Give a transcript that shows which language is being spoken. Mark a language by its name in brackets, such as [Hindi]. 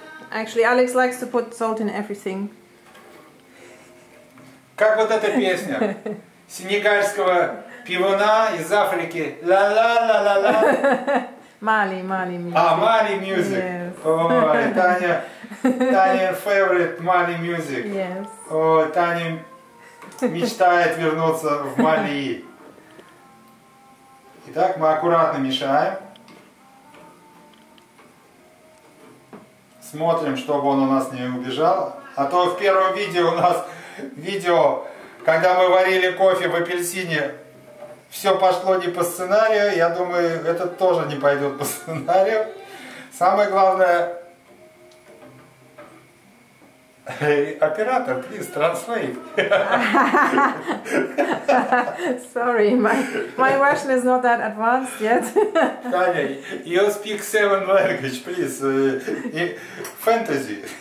[English] Actually, Alex likes to put salt in everything. [Russian] Как вот эта песня сенегальского пивона из Африки. Ла-ла-ла-ла-ла. Мали мюзик. А, Мали мюзик. Ой, Таня [English] favorite [Russian] Мали мюзик. Ой, Таня мечтает вернуться в Мали. Итак, мы аккуратно мешаем. Смотрим, чтобы он у нас не убежал. А то в первом видео у нас видео, когда мы варили кофе в апельсине, все пошло не по сценарию. Я думаю, это тоже не пойдет по сценарию. Самое главное... Оператор, [English] please, translate. Sorry, my Russian is not that advanced yet. Таня, you speak seven language, please. Fantasy.